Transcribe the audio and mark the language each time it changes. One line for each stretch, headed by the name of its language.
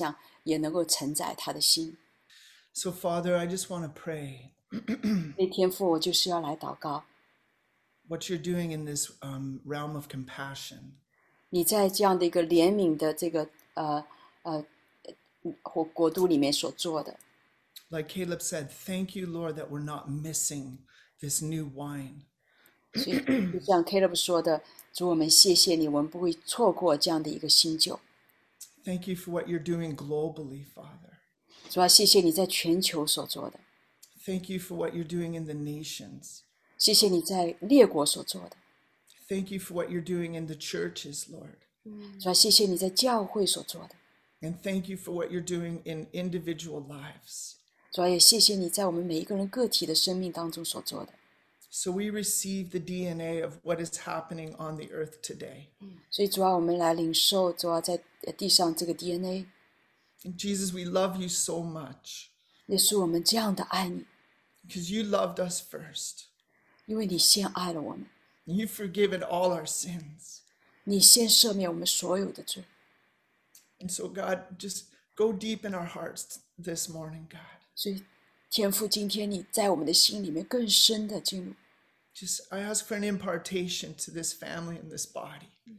Chinese: 所以我第一件事情呢，我想到的就是说，神呢，就好像我们心里面有一个井，神会挖得更深，神要来更新我们，因为神要把他的，让我们有他的形象，也能够承载他的心。
English: So Father, I just want to pray.
Chinese: 所以天父，我就是要来祷告。
English: What you're doing in this realm of compassion.
Chinese: 你在这样的一个怜悯的这个,
English: Like Caleb said, thank you, Lord, that we're not missing this new wine.
Chinese: 所以就像Caleb说的, 主我们谢谢你,
English: thank you for what you're doing globally, Father.
Chinese: 主啊,
English: thank you for what you're doing in the nations.
Chinese: 谢谢你在列国所做的。
English: Thank you for what you're doing in the churches, Lord.
Chinese: 主啊，谢谢你在教会所做的。
English: And thank you for what you're doing in individual lives.
Chinese: 主啊，也谢谢你在我们每一个人个体的生命当中所做的。
English: So we receive the DNA of what is happening on the earth today.
Chinese: 所以主啊，我们来领受主啊在地上这个DNA。
English: Jesus, we love you so much.
Chinese: 耶稣，我们这样的爱你。
English: Because you loved us first.
Chinese: 因为你先爱了我们。
English: You've forgiven all our sins.
Chinese: 你先赦免我们所有的罪。
English: And so God, just go deep in our hearts this morning, God.
Chinese: 所以天父，今天你在我们的心里面更深的进入。
English: Just I ask for an impartation to this family and this body.